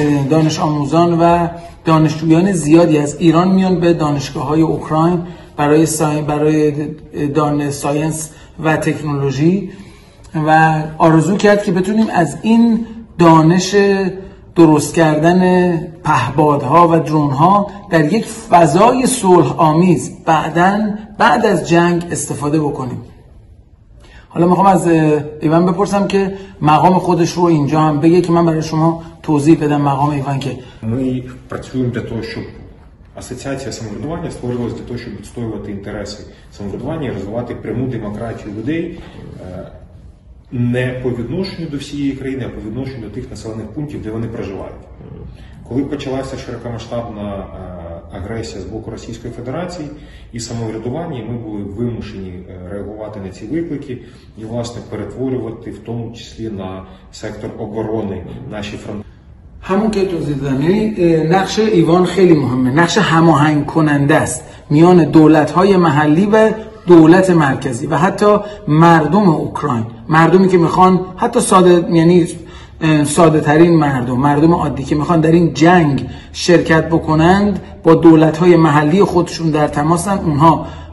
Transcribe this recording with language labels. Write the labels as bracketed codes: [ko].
[fa] دانش آموزان و دانشجویان زیادی از ایران میان به دانشگاه های اوکراین برای ساینس و تکنولوژی، و آرزو کرد که بتونیم از این دانش درست کردن پهبادها و درونها در یک فضای صلح آمیز بعد از جنگ استفاده بکنیم. حالا میخوام از ایوان بپرسم که مقام خودش رو اینجا هم بگه که من برای شما توضیح بدم. مقام ایوان که [uk] ми працюємо для того, щоб асоціація самоврядування створилась для того, щоб відстоювати інтереси самоврядування і розвивати пряму демократію людей, не по відношенню до всієї країни, а по відношенню до тих населених пунктів, де вони проживають. Коли почалася широкомасштабна агресія з боку Російської Федерації і самоврядування, ми були вимушені реагувати на ці виклики і, власне, перетворювати в тому числі на сектор оборони наші фронти. [fa] همون که توضیح دادم، یعنی نقش ایوان خیلی مهمه، نقش هماهنگ کننده است میان دولت‌های محلی و دولت مرکزی و حتی مردم اوکراین، مردمی که میخوان، حتی ساده‌ترین مردم عادی که میخوان در این جنگ شرکت بکنند، با دولت‌های محلی خودشون در تماسن، اونها